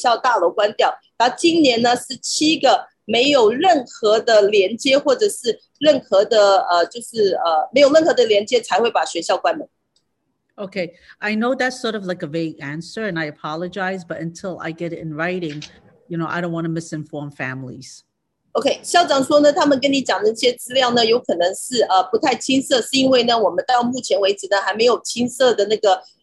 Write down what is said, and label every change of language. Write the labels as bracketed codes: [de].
[zh] 他们可以呢在网上呢是可以持续的学习，因为我们在学校里面也购买了很多那些网上的课程，让小朋友可以持续的学习。然后呢，去年呢是4个没不相同，而且没有任何连接的那个就是有4个情况下呢，我们才会把学校大楼关掉。然后今年呢是7个。没有任何的连接，或者是任何的，就是没有任何的连接，才会把学校关门。 [en] Okay, I know that's sort of like a vague answer, and I apologize, but until I get it in writing, you know, I don't want to misinform families. [zh] Okay, 校长说呢，他们跟你讲的这些资料呢，有可能是不太清晰，是因为呢，我们到目前为止呢，还没有清晰的那个。